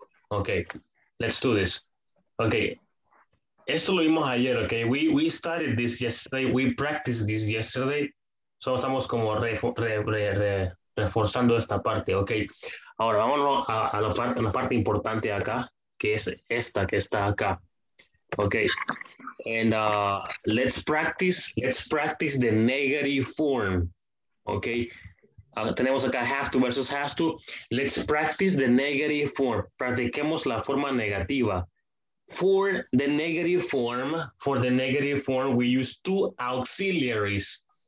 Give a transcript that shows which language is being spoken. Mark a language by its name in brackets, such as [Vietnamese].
[Spanish] Okay. [English] Let's do this. [Spanish] Okay, esto lo vimos ayer, okay? [English] We started this yesterday, we practiced this yesterday. [Spanish] So estamos como reforzando esta parte, okay? Ahora, vámonos a la parte importante acá, que es esta que está acá. [English] Okay, and let's practice the negative form, okay? [Spanish] Tenemos acá [English] have to versus has to. Let's practice the negative form. [Spanish] Practiquemos la forma negativa. [English] For the negative form, we use two auxiliaries.